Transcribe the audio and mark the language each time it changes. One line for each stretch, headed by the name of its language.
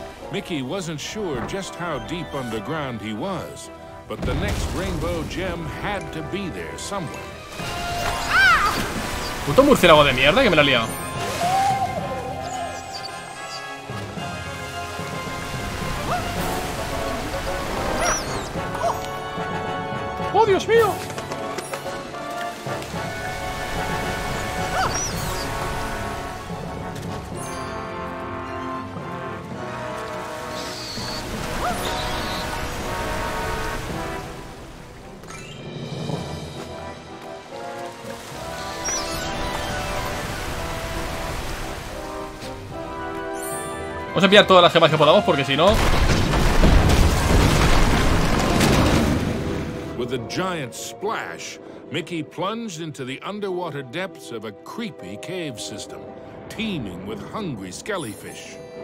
English: Mickey wasn't sure just how deep underground he was. But the next rainbow gem had to be there somewhere.
Spanish: Puto murciélago de mierda que me la ha liado. ¡Oh, Dios mío! Vamos a enviar todas las gemas que podamos porque si no.
English: With a giant splash, Mickey plunged into the underwater depths of a creepy cave system, teeming with hungry skellyfish.